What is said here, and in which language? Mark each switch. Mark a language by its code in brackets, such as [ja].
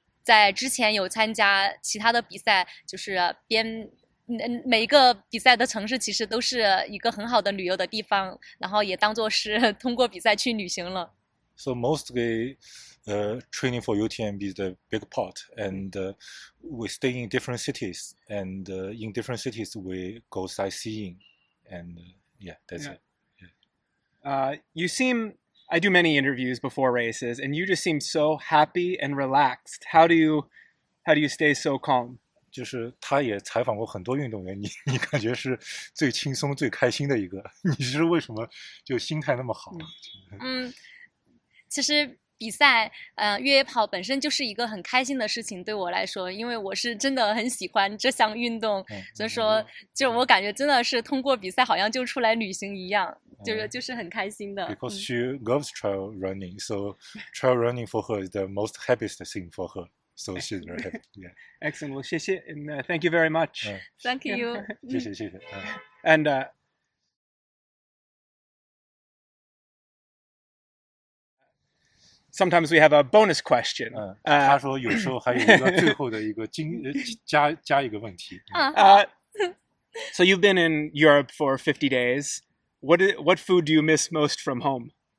[zh] 在之前有参加其他的比赛，就是边每一个比赛的城市其实都是一个很好的旅游的地方，然后也当作是通过比赛去旅行了。 [en] So mostly, training for UTMB is the big part, and we stay in different cities, and in different cities we go sightseeing, and yeah, that's it. You seem, I do many interviews before races, and you just seem so happy and relaxed. How do you stay so calm? [zh] 就是他也采访过很多运动员，你感觉是最轻松最开心的一个，你是为什么就心态那么好？其实比赛，越野跑本身就是一个很开心的事情，对我来说，因为我是真的很喜欢这项运动，所以说就我感觉真的是通过比赛好像就出来旅行一样，就是很开心的。 [en] Because she loves trail running, so trail running for her is the most happiest thing for her. So she's very happy. Yeah. Excellent. Well, [zh] 谢谢 [en] and thank you very much. Thank you. [zh] 谢谢谢谢。 [en] And sometimes we have a bonus question. [zh] 他说有时候还有一个最后的一个加一个问题。 [en] So you've been in Europe for 50 days. What food do you miss most from home?